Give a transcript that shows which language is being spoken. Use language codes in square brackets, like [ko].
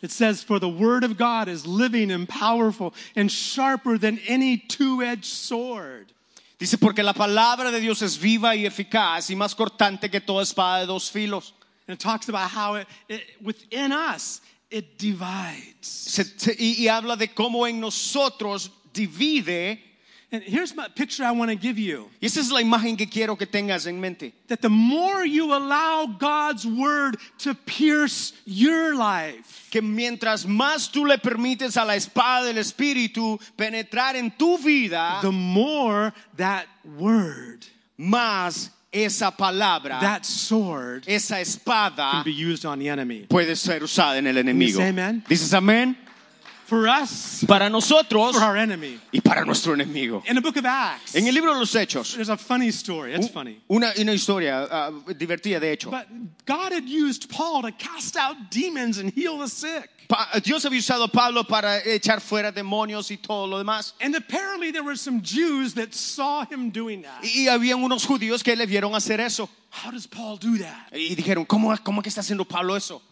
[en] It says, "For the word of God is living and powerful and sharper than any two-edged sword." [es] Dice porque la palabra de Dios es viva y eficaz y más cortante que toda espada de dos filos. [en] And it talks about how it within us it divides. [es] Y habla de cómo en nosotros divide. [en] And here's my picture I want to give you. [es] Y esa es la imagen que quiero que tengas en mente. [en] That the more you allow God's word to pierce your life, [es] que mientras más tú le permites a la espada del Espíritu penetrar en tu vida, [en] the more that word, [es] más esa palabra, [en] that sword, [es] esa espada, [en] can be used on the enemy. [es] Puede ser usada en el enemigo. [en] Say amen. [es] Dices amén. [en] For us, [es] para nosotros, [en] for our enemy, [es] y para nuestro enemigo. [en] In the book of Acts, [es] en el libro de los Hechos, [en] there's a funny story. It's funny. [es] Una historia divertida de hecho. [en] But God had used Paul to cast out demons and heal the sick. [es] Dios había usado a Pablo para echar fuera demonios y todo lo demás. [en] And apparently there were some Jews that saw him doing that. [es] Y habían unos judíos que le vieron hacer eso. [en] How does Paul do that? [es] Y dijeron, ¿cómo que está haciendo Pablo eso?